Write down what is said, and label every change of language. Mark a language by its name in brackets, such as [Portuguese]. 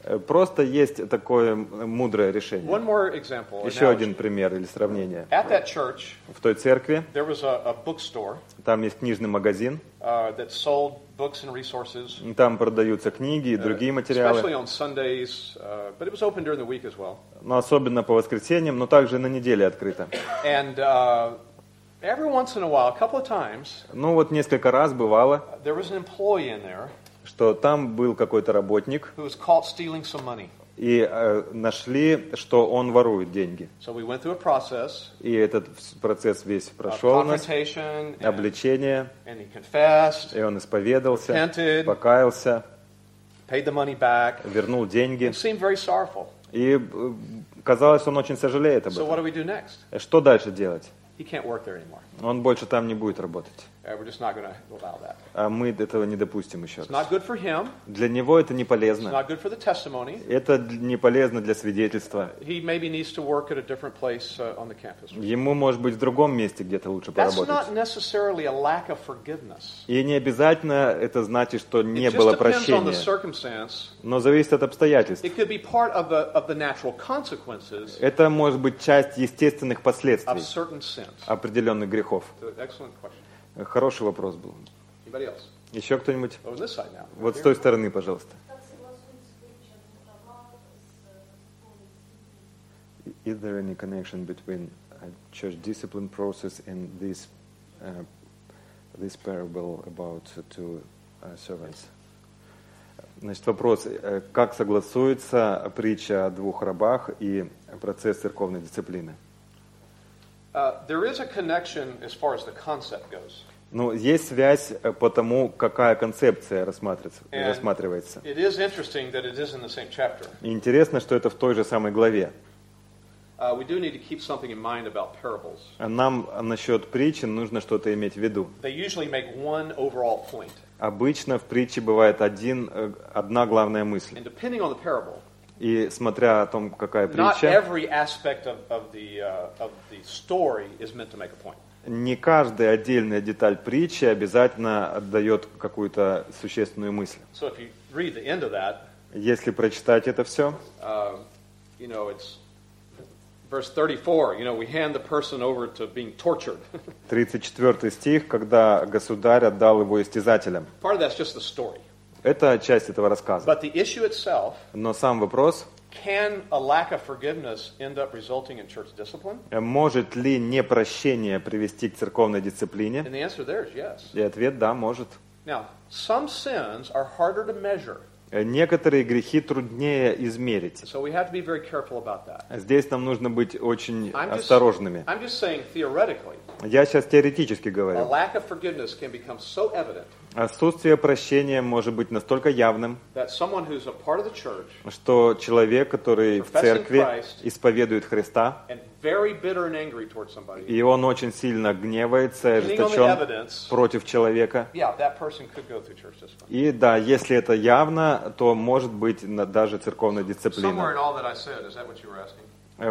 [Russian] Просто есть такое мудрое решение. [English] One more example, [Russian] Еще один пример или сравнение. [English] At that church, [Russian] в той церкви [English] there was a bookstore, [Russian] там есть книжный магазин. [English] That sold books and resources, [Russian] там продаются книги и другие материалы. [English] Especially on Sundays, but it was open during the week as well. [Russian] Но особенно по воскресеньям, но также на неделе открыто. [English] And, every once in a while, a couple of times, [Russian] ну вот несколько раз бывало, [English] there was an employee in there, [Russian] что там был какой-то работник, [English] who was caught stealing some money. [Russian] И нашли, что он ворует деньги. [English] So we went through a process, [Russian] и этот процесс весь прошел у нас. Обличение. [English] And he confessed, [Russian] и он исповедался. [English] Repented, [Russian] покаялся. [English] Paid the money back, [Russian] вернул деньги. [English] And seemed very sorrowful. [Russian] И казалось, он очень сожалеет об этом. [English] So what do we do next? [Russian] Что дальше делать? [English] He can't work there anymore. [Russian] Он больше там не будет работать. [English] We're just not going to allow that. [Russian] А мы этого не допустим еще раз. [English] It's not good for him. [Russian] Для него это не полезно. [English] It's not good for the testimony. [Russian] Это не полезно для свидетельства. [English] He maybe needs to work at a different place on the campus. [Russian] Ему, может быть, в другом месте где-то лучше [English] That's [Russian] поработать. [English] That's not necessarily a lack of forgiveness. [Russian] И не обязательно это значит, что не [English] It [Russian] было [English] just depends [Russian] прощения. [English] On the circumstance. [Russian] Но зависит от обстоятельств. [English] It could be part of the natural consequences. [Russian] Это может быть часть естественных последствий. [English] Of certain sins. [Russian] Определенных грехов. [English] Excellent question. [Russian] Хороший вопрос был. [English] Else? [Russian] Еще кто-нибудь? [English] Oh, this side now. Right [Russian] вот [English] here. [Russian] С той стороны, пожалуйста. [English] Is there any connection between a church discipline process and this this parable about two servants? [Russian] Значит, вопрос, как согласуется притча о двух рабах и процесс церковной дисциплины? [English] There is a connection as far as the concept goes. [Russian] Ну, есть связь по тому, какая концепция рассматривается. [English] It is interesting that it is in the same chapter. [Russian] Интересно, что это в той же самой главе. [English] We do need to keep something in mind about parables. [Russian] Нам насчет притчи нужно что-то иметь в виду. [English] They usually make one overall point. [Russian] Обычно в притче бывает одна главная мысль. [English] And depending on the parable. [Russian] И смотря о том, какая притча. [English] Not every aspect of the story is meant to make a point. [Russian] Не каждая отдельная деталь притчи обязательно отдает какую-то существенную мысль. [English] So if you read the end of that. [Russian] Если прочитать это все. [English] You know, it's Verse 34, you know, we hand the person over to being tortured. [Russian] 34 стих, когда государь отдал его истязателям. [English] Part of that's just the story. [Russian] Это часть этого рассказа. [English] But the issue itself, [Russian] но сам вопрос, [English] can a lack of forgiveness end up resulting in church discipline? [Russian] Может ли непрощение привести к церковной дисциплине? [English] And the answer there is yes. [Russian] И ответ – да, может. [English] Now, some sins are harder to measure. [Russian] Некоторые грехи труднее измерить. [English] So we have to be very careful about that. [Russian] Здесь нам нужно быть очень осторожными. [English] I'm just saying, theoretically, [Russian] я сейчас теоретически говорю. [English] A lack of forgiveness can become so evident, [Russian] отсутствие прощения может быть настолько явным, [English] that someone who's a part of the church, [Russian] что человек, который в церкви [English] Christ, [Russian] исповедует Христа, [English] and very bitter and angry towards somebody, [Russian] и он очень сильно гневается, ожесточен против человека. [English] Yeah, that person could go through church discipline. [Russian] И да, если это явно, то может быть даже церковная дисциплина. [English] Somewhere in all that I said, is that what you were asking?